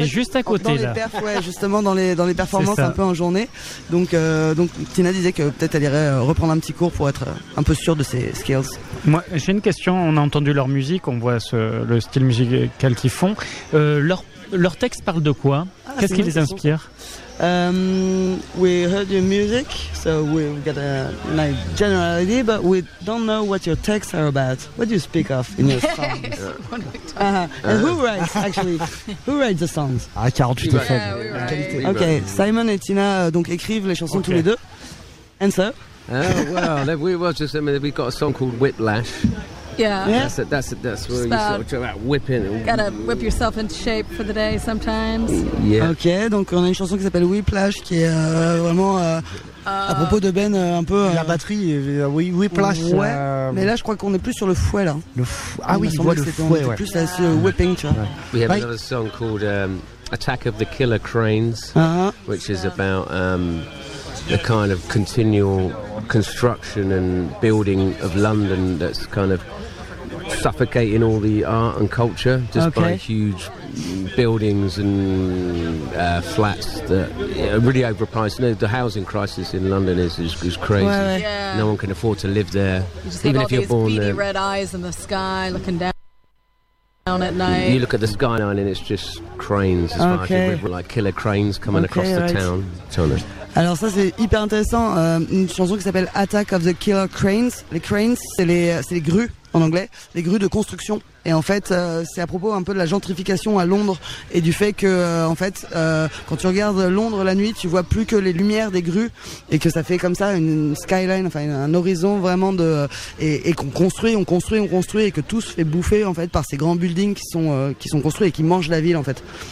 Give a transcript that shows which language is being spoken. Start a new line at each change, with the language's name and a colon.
French: Juste à côté, dans les perfs, ouais, justement, dans les performances un peu en journée. Donc Tina disait que peut-être elle irait reprendre un petit cours pour être un peu sûre de ses skills. Moi, j'ai une question. On a entendu leur musique, on voit le style musical qu'ils font. Leur texte parle de quoi? Qu'est-ce qui les inspire?
English: We heard your music, so we've got a like, general idea, but we don't know what your texts are about. What do you speak of in your songs? And who writes, actually? Who writes the songs? Ah, 48 fois. Yeah,
French: okay, Simon et Tina donc écrivent les chansons tous les deux.
English: And so? We've got a song called Whiplash. Yeah. That's where you sort of talk about whipping. You gotta whip yourself into shape for the day sometimes. Yeah.
French: Ok, donc on a une chanson qui s'appelle Whiplash, qui est vraiment à propos de Ben, un peu la batterie, Whiplash. Ouais. Mais là, je crois qu'on est plus sur le fouet là. On voit le fouet, plus whipping, tu vois.
English: We have another song called Attack of the Killer Cranes, which is about the kind of continual construction and building of London that's kind of suffocating all the art and culture just by huge buildings and flats that are really overpriced. You know, the housing crisis in London is crazy. No one can afford to live there. You just have all these beady red eyes in the sky looking down at night. You look at the skyline and it's just cranes as far as river, like killer cranes coming across the town.
French: Alors ça c'est hyper intéressant, une chanson qui s'appelle Attack of the Killer Cranes. Les cranes, c'est les grues en anglais, les grues de construction. Et en fait, c'est à propos un peu de la gentrification à Londres et du fait que, en fait, quand tu regardes Londres la nuit, tu vois plus que les lumières des grues et que ça fait comme ça une skyline, enfin un horizon vraiment de et qu'on construit, on construit, on construit et que tout se fait bouffer en fait par ces grands buildings qui sont construits et qui mangent la ville en fait.